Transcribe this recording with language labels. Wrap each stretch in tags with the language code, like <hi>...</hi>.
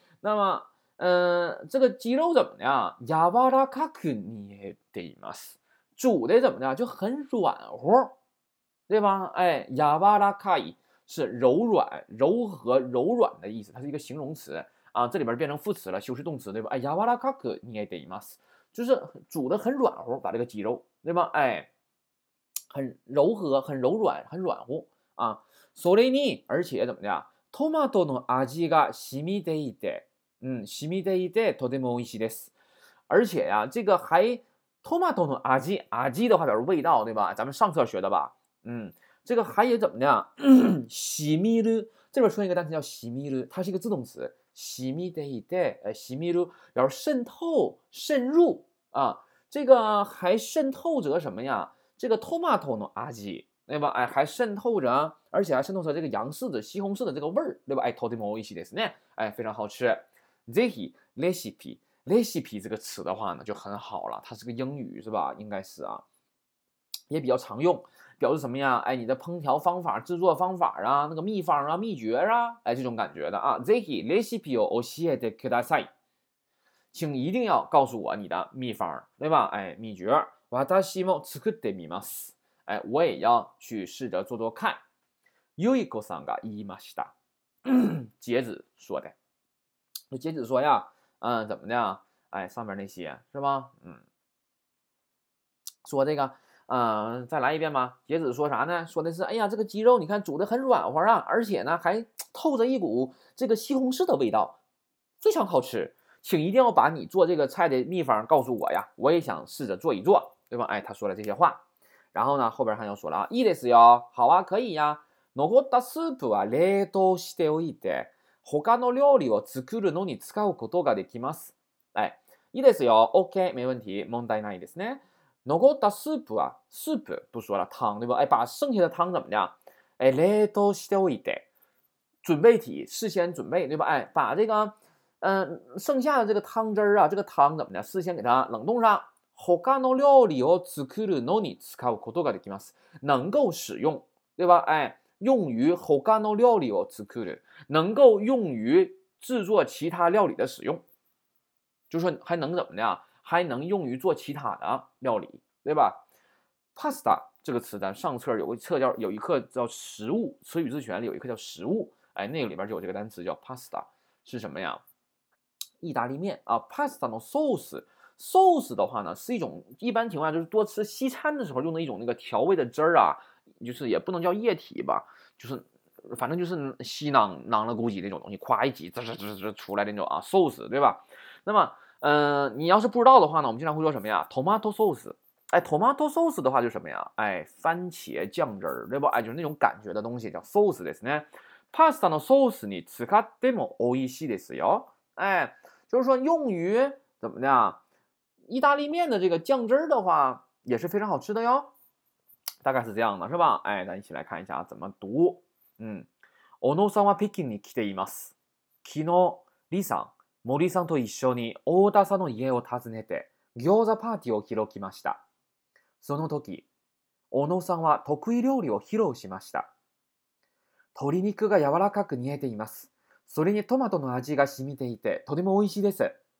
<zh>那么这个鸡肉怎么的啊，</zh> <ja>柔らかく煮えています，</ja> <zh>煮的怎么的就很软和，对吧，哎，柔らかい是柔软，柔和，柔软的意思，它是一个形容词啊，这里边变成副词了，修饰动词，对吧，哎，柔らかく煮えています，就是煮的很软和，把这个鸡肉，对吧，哎，很柔和，很柔软，很软和啊。</zh> <ja>それに，</ja> <zh>而且怎么的，</zh> <ja>トマトの味が染みていて，染みていてとても美味しいです。</ja> <zh>而且呀，这个还トマトの味，味的话表示味道，对吧？咱们上册学的吧，这个还也怎么的，染みる，这边说一个单词叫染みる，它是一个自动词，染みていて，染みる表示渗透、渗入啊。这个还渗透着什么呀？这个トマトの味。对吧，哎，还渗透着，而且还渗透着这个洋柿子、西红柿的这个味儿，对吧，哎，</zh> <ja>とても美味しいですね，</ja> <zh>哎，非常好吃。ぜひレシピ，レシピ这个词的话呢就很好了，它是个英语，是吧，应该是啊，也比较常用，表示什么呀，哎，你的烹调方法、制作方法啊，那个秘方啊、秘诀啊，哎，这种感觉的啊。</zh> <ja>ぜひレシピを教えてください，</ja> <zh>请一定要告诉我你的秘方，对吧，哎，秘诀。</zh> <ja>私も作ってみます，</ja> <zh>哎，我也要去试着做做看。</zh> <ja>ゆいこさんが言いました。</ja> <zh>截止说的。截止说呀，怎么的啊，哎，上面那些是吧，说这个再来一遍吧。截止说啥呢，说的是，哎呀，这个鸡肉你看煮得很软和啊，而且呢还透着一股这个西红柿的味道，非常好吃。请一定要把你做这个菜的秘方告诉我呀，我也想试着做一做，对吧，哎，他说了这些话。然后呢后边还要说了，</zh> <ja>いいですよ，</ja> <zh>好啊，可以呀，</zh> <ja>残ったスープは冷凍しておいて他の料理を作るのに使うことができます，哎，いいですよ， OK，</ja> <zh>没问题，</zh> <ja>問題ないですね。</ja> <zh>残ったスープは，スープ不说了，汤，对吧，哎，把剩下的汤怎么的，哎，</zh> <ja>冷凍しておいて，</ja> <zh>准备体，事先准备，对吧？哎，把这个，剩下的这个汤汁儿啊，这个汤怎么的，事先给它冷冻上。</zh> <ja>他の料理を作るのに使うことができます。</ja> <zh>能够使用，对吧？哎，用于</zh> <ja>他の料理を作る，</ja> <zh>能够用于制作其他料理的使用，就说还能怎么的，还能用于做其他的料理，对吧？Pasta 这个词，咱上册有个课叫有一课叫食物词语自选里有一课叫食物，哎，那个里边就有这个单词叫 pasta，是什么呀？意大利面啊，pasta no sauce。sauce 的话呢，是一种一般情况下就是多吃西餐的时候用的一种那个调味的汁儿啊，就是也不能叫液体吧，就是反正就是稀囊囊了咕叽那种东西，夸一挤滋滋滋滋出来那种啊，sauce 对吧？那么，你要是不知道的话呢，我们经常会说什么呀？tomato sauce，哎，tomato sauce 的话就什么呀？哎，番茄酱汁儿，对不？哎，就是那种感觉的东西叫</zh> <ja>sauce ですね。pasta の sauce に使っても美味しいですよ。</ja> <zh>哎，就是说用于怎么的啊？意大利面的这个酱汁儿的话也是非常好吃的哟，大概是这样的，是吧？哎，咱一起来看一下怎么读。</zh> <ja>小野さんは北京に来ています。昨日、李さん、森さんと一緒に太田さんの家を訪ねて餃子パーティーを開きました。その時、小野さんは得意料理を披露しました。鶏肉が柔らかく煮えています。それにトマトの味が染みていてとても美味しいです。</ja>